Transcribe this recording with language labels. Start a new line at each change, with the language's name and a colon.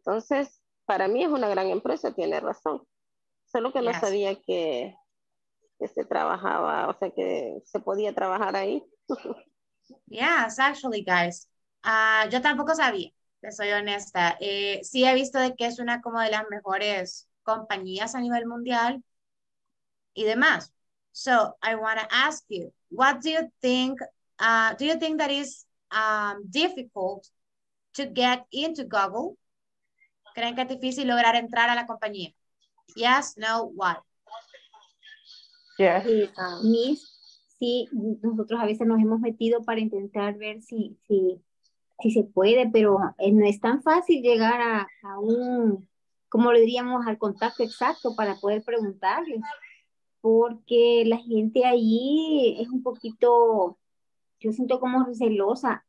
Spanish: Entonces, para mí es una gran empresa, tiene razón. Solo que no sabía que se trabajaba, o sea, que se podía trabajar ahí.
English: Yes, actually, guys.
Spanish: Yo tampoco sabía, te soy honesta. Sí he visto de que es una como de las mejores compañías a nivel mundial y demás.
English: So, I want to ask you, what do you think that is difficult to get into Google?
Spanish: ¿Creen que es difícil lograr entrar a la compañía?
English: Yes, no, why? Yes.
Spanish: Miss, sí, nosotros a veces nos hemos metido para intentar ver si se puede, pero no es tan fácil llegar a un, como le diríamos, al contacto exacto para poder preguntarles, porque la gente allí es un poquito, yo siento como celosa.